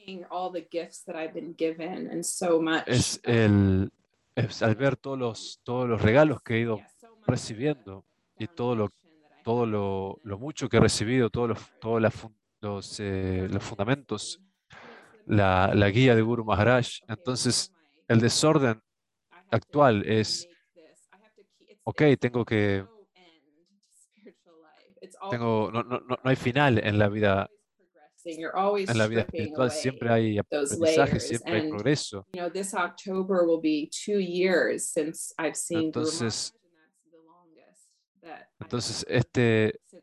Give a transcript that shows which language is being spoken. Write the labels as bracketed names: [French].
[English] All the gifts that I've been given and so much [Spanish] es al ver todos los regalos que he ido recibiendo y todo lo mucho que he recibido todos los fundamentos la guía de Guru Maharaj. Entonces el desorden actual es okay, no hay final en la vida. [English] You're always [Spanish] en la vida espiritual siempre hay aprendizaje, siempre hay progreso. [English] You know, this October will be 2 years since I've seen Guru Maharaj, and that's the longest